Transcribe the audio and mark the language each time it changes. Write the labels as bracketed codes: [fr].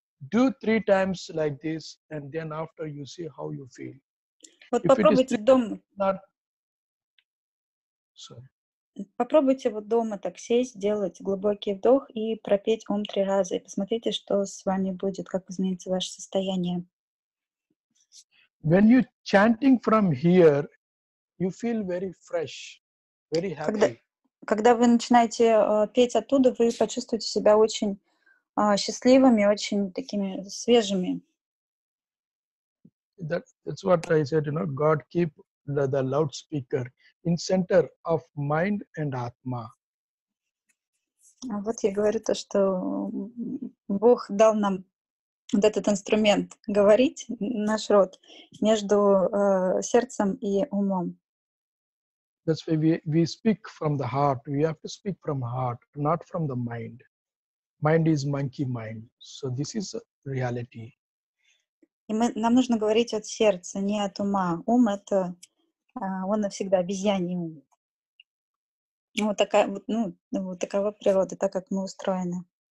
[en] Do three times like this and then after you see how you feel. [ru] Вот попробуйте дома. [en] Sorry. [ru] Попробуйте вот дома так сесть, сделать глубокий вдох и пропеть ом три раза. И посмотрите, что с вами будет, как изменится ваше состояние. [en] When you chanting from here, you feel very fresh, very happy. [ru] Когда вы начинаете петь оттуда, вы почувствуете себя очень счастливыми, очень такими свежими. [en] That's what I said, you know, God keep the loudspeaker in center of mind and atma. [ru] Вот я говорю то, что Бог дал нам вот этот инструмент говорить, наш рот, между сердцем и умом. [en] That's why we speak from the heart. We have to speak from heart, not from the mind. Mind is monkey mind. So this is reality. [ru] И мы, нам нужно говорить от сердца, не от ума. Ум — это, он навсегда обезьяний ум. Вот такая, ну, вот такова природа, так как мы устроены.